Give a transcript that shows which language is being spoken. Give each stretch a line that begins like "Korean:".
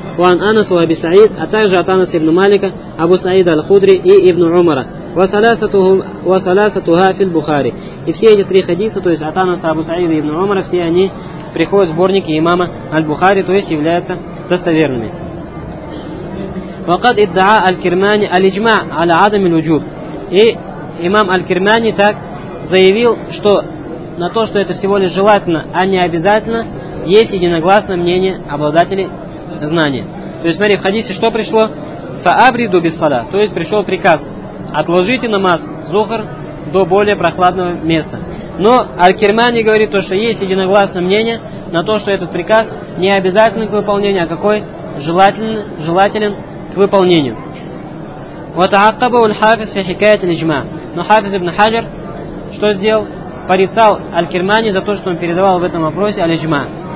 Arabic: Ван Анас у Аби Саид,
Russian: а также от Анас ибн Малика, Абу Саид Аль-Худри и ибн Умара.
Arabic: Васалясату Гафиль Бухари.
Russian: И все эти три хадиса, то есть от Анаса, Абу Саида и ибн Умара, все они приходят в сборники имама Аль-Бухари, то есть являются достоверными.
Arabic: وقد ادعى الكرماني الاجماع على عدم الوجوب.
Russian: И имам Аль-Кирмани так заявил, что на то, что это всего лишь желательно, а не обязательно, есть единогласное мнение обладателей знания. То есть смотри, в хадисе что пришло?
Arabic: Фаабриду бисала,
Russian: то есть пришел приказ: отложите намаз зухр до более прохладного места. Но Аль-Кирмани говорит то, что есть единогласное мнение на то, что этот приказ не обязательный к выполнению, а какой желателен к выполнению.
Arabic: وتعقبه الحافظ في حكاية الإجماع.
Russian: Но Хафиз ибн Хаджар что сделал? Порицал Аль-Кирмани за то, что он передавал в этом вопросе Аль-Иджма.